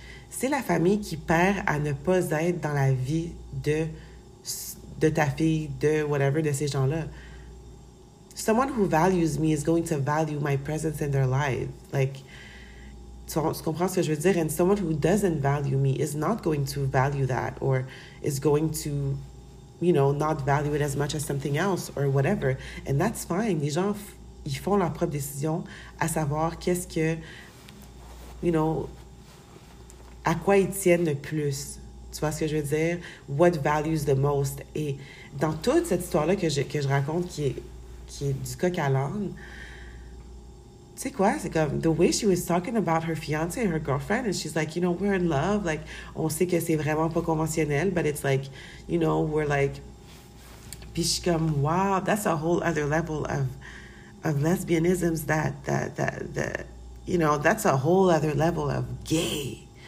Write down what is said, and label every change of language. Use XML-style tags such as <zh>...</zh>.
<fr>C'est la famille qui perd à ne pas être dans la vie de ta fille, de whatever, de ces gens-là.</fr> <en>Someone who values me is going to value my presence in their life. Like,</en> <fr>tu comprends ce que je veux dire?</fr> <en>And someone who doesn't value me is not going to value that or is going to, you know, not value it as much as something else or whatever. And that's fine.</en> <fr>Les gens, ils font leur propre décision à savoir qu'est-ce que,</fr> <en>you know,</en> <fr>à quoi ils tiennent le plus. Tu vois ce que je veux dire?</fr> <en>What values the most?</en> <fr>Et dans toute cette histoire-là que je raconte qui est du coq à l'âne. Tu sais quoi? C'est comme,</fr> <en>the way she was talking about her fiance and her girlfriend, and she's like, you know, we're in love. Like,</en> <fr>on sait que c'est vraiment pas conventionnel,</fr> <en>but it's like, you know, we're like.</en> <fr>Puis je suis comme,</fr> <en>wow, that's a whole other level of lesbianism that, you know, that's a whole other level of gay.</en>